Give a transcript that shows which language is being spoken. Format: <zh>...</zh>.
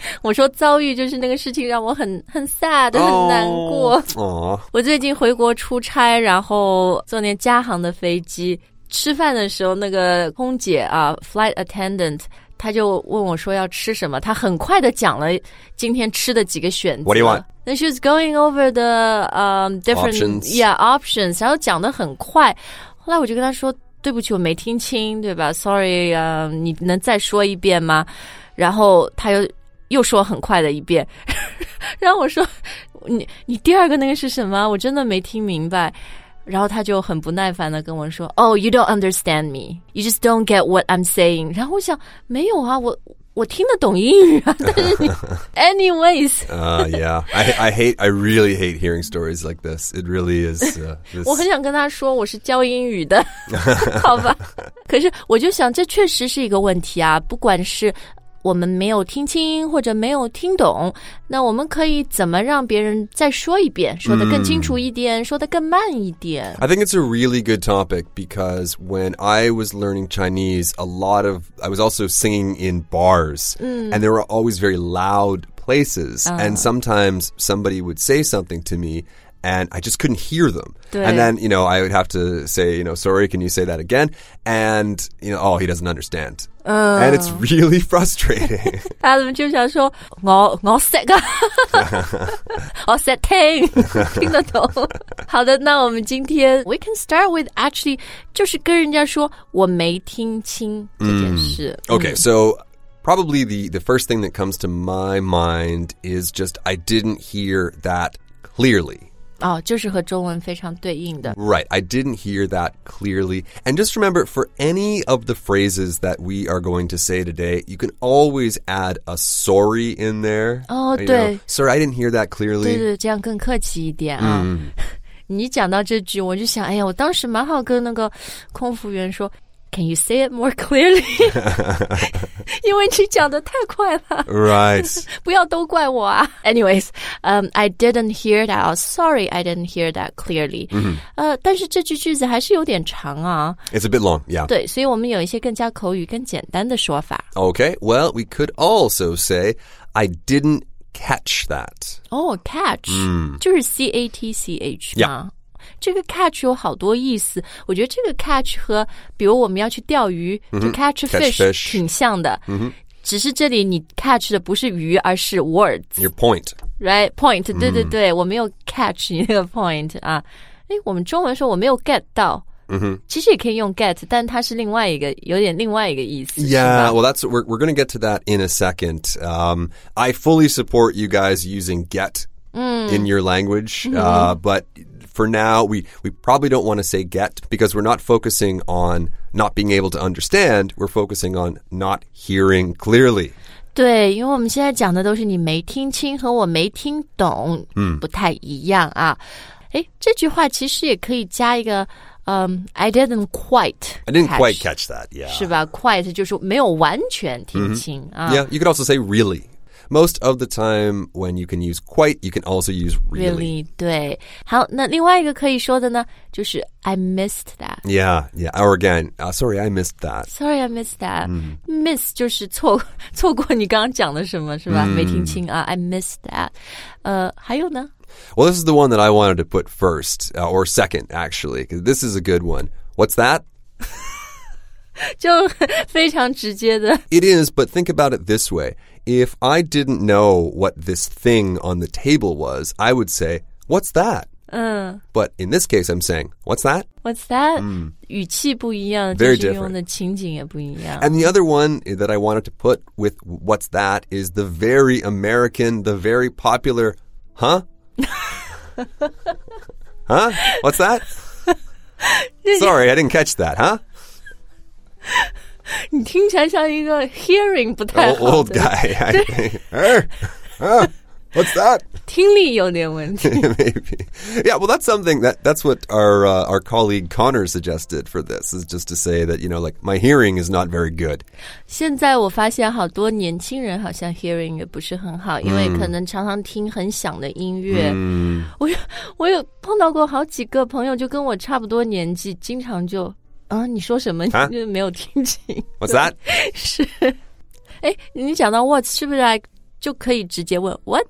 <zh>我说遭遇就是那个事情让我很</zh> <en>sad、oh.</en> <zh>很难过。哦，我最近回国出差，然后坐那加航的飞机，吃饭的时候那个空姐啊</zh> <en>flight attendant</en> <zh>他就问我说要吃什么，他很快的讲了今天吃的几个选择。</zh> <en>What do you want? Then she was going over the different options.</en> <zh>Yeah, options, 然后讲的很快，后来我就跟他说对不起我没听清，对吧，</zh> <en>sorry、</en> <zh>你能再说一遍吗，然后他又说很快的一遍，然后我说你第二个那个是什么，我真的没听明白，然后他就很不耐烦的跟我说</zh> <en>Oh, you don't understand me, you just don't get what I'm saying.</en> <zh>然后我想没有啊，我听得懂英语啊，但是你</zh> <en>anyways yeah, I really hate hearing stories like this. It really is this...</en> <zh>我很想跟他说我是教英语的好吧，可是我就想这确实是一个问题啊，不管是我们没有听清或者没有听懂，那我们可以怎么让别人再说一遍，说得更清楚一点，说得更慢一点。</zh> <en>I think it's a really good topic because when I was learning Chinese, I was also singing in bars, and there were always very loud places, and sometimes somebody would say something to me and I just couldn't hear them. And then, you know, I would have to say, you know, sorry, can you say that again? And, you know, oh, he doesn't understand. And it's really frustrating.</en> <zh>Adam 就想说我识啊，我识听，听得懂。好的，那我们今天</zh> <en>we can start with actually</en> <zh>就是跟人家说我没听清这件事。</zh> <en>Okay, so probably the first thing that comes to my mind is just I didn't hear that clearly.</en> <zh>哦，就是和中文非常对应的。</zh> <en>Right, I didn't hear that clearly. And just remember, for any of the phrases that we are going to say today, you can always add a sorry in there.</en> <zh>哦，对。</zh> <en>Sorry, I didn't hear that clearly.</en> <zh>对对，这样更客气一点啊。你讲到这句，我就想，哎呀，我当时蛮好跟那个空服员说</zh> <en>Can you say it more clearly?</en> <zh>因为你讲得太快了。</zh> <en>Right.</en> <zh>不要都怪我啊。</zh> <en>Anyways, I didn't hear that. Sorry, I didn't hear that clearly.</en> <zh>但是这句句子还是有点长啊。</zh> <en>It's a bit long, yeah.</en> <zh>对，所以我们有一些更加口语、更简单的说法。</zh> <en>Okay, well, we could also say, I didn't catch that. Oh, catch.</en> <zh>就是 C-A-T-C-H 吗？</zh> <en>Yeah.</en> <zh>这个 catch 有好多意思，我觉得这个 catch 和比如我们要去钓鱼、就</zh> <en>catch fish</en> <zh>挺像的、只是这里你 catch 的不是鱼而是 words</zh> <en>your point</en> <zh>right point、对对对，我没有 catch 你那个 point 啊，诶，我们中文说我没有 get 到、其实也可以用 get， 但它是另外一个有点另外一个意思。</zh> <en>Yeah, well, that's we're going to get to that in a second. I fully support you guys using get、in your language、butFor now, we probably don't want to say get because we're not focusing on not being able to understand. We're focusing on not hearing clearly.</en> <zh>对，因为我们现在讲的都是你没听清和我没听懂，不太一样啊。诶，这句话其实也可以加一个</zh> <en>I didn't quite catch. I didn't quite catch that, yeah.</en> <zh>是吧 ,quite 就是没有完全听清、</zh> <en>mm-hmm.</en> <zh>啊、</zh> <en>Yeah, you could also say really. Most of the time, when you can use quite, you can also use really. Really,</en> <zh>对。好，那另外一个可以说的呢，就是</zh> <en>I missed that. Yeah, yeah. Or again,、sorry, I missed that. Sorry, I missed that.、Mm.</en> <zh>Miss 就是错过你刚刚讲的什么，是吧、mm. 没听清啊。</zh> <en>I missed that.</en> <zh>还有呢？</zh> <en>Well, this is the one that I wanted to put first,、or second, actually. Cause this is a good one. What's that?</en> <zh>就非常直接的。</zh> <en>It is, but think about it this way. If I didn't know what this thing on the table was, I would say, what's that?、But in this case, I'm saying, what's that? What's that?、Mm.</en> <zh>语气不一样</zh> <en>Very different.</en> <zh>就是用的情景也不一样</zh> <en>And the other one that I wanted to put with what's that is the very American, the very popular, huh? huh? What's that? Sorry, I didn't catch that, huh?</en> <zh>你听起来像一个 hearing 不太好的</zh> <en>old guy. I think. What's that?</en> <zh>听力有点问题</zh> <en>Maybe. Yeah, well, that's something that's what our colleague Connor suggested for this is just to say that, you know, like my hearing is not very good.</en> <zh>现在我发现好多年轻人好像 hearing 也不是很好，因为可能常常听很响的音乐。我有碰到过好几个朋友，就跟我差不多年纪，经常就。啊，你说什么？你就没有听清。</zh> <en>What's that?</en> <zh>是，哎，你讲到 what 是不是就可以直接问 what?</zh>